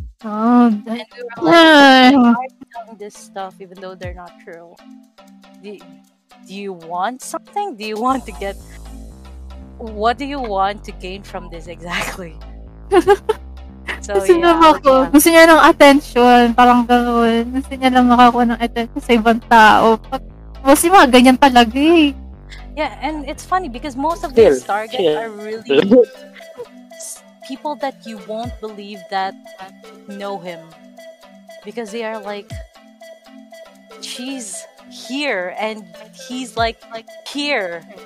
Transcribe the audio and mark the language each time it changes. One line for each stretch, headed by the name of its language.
English: Oh, and we were like, why are you telling this stuff even though they're not true? Do you want something? Do you want to get... What do you want to gain from this exactly? So,
Filipino: gusto
English: yeah.
Filipino: Niya ako,
English: yeah.
Filipino: Gusto niya ng attention. Parang gano'n. Gusto niya lang makakuha ng attention sa ibang tao. Kasi mga ganyan talaga eh.
English: Yeah, and it's funny because most of still, these targets yeah. are really people that you won't believe that know him. Because they are like, she's here and he's like here.